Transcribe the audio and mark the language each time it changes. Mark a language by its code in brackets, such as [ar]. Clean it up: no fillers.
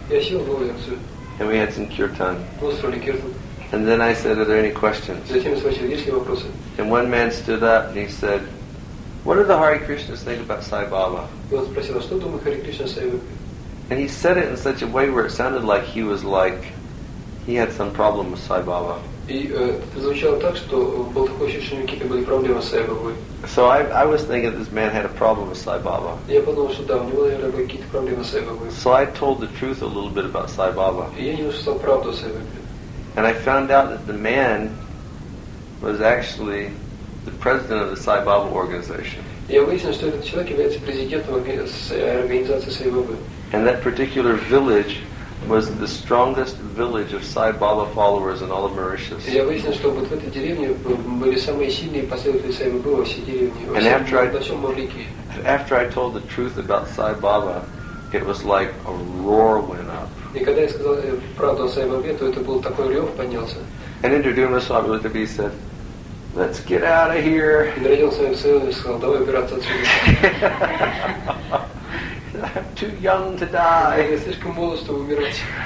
[en] And we had some kirtan. And then I said, are there any questions? And one man stood up and he said, what do the Hare Krishnas think about Sai Baba? And he said it in such a way where it sounded like he was like, He had some problem with Sai Baba. [ru] И звучало так, что было такое ощущение, что какие-то были проблемы с Сай Бабой. [en] So I was thinking this man had a problem with Sai Baba. [ru] Я подумал, что да, у него, наверное, были какие-то проблемы с Сай Бабой. [en] So I told the truth a little bit about Sai Baba. [ru] И я не услышал правду о Сай Бабе. [en] And I found out that the man was actually the president of the Sai Baba organization. [ru] Я выяснил, что этот человек является президентом организации Сай Бабы. [en] And that particular village was the strongest village of Sai Baba followers in all of Mauritius. [ru] Я выяснил, что вот в этой деревне были самые сильные последователи Сай Бабы во всей деревне. [en] And after I told the truth about Sai Baba, it was like a roar went up. [ru] И когда я сказал правду о Сай Бабе, то это был такой рев поднялся. [en] And Indraduma Swamiluthabhi said, "Let's get out of here." [ru] Индрадюма Свамиуттабхи сказал, "Давай убираться отсюда." [en] I'm too young to die. [ru] Слишком молод, чтобы умирать.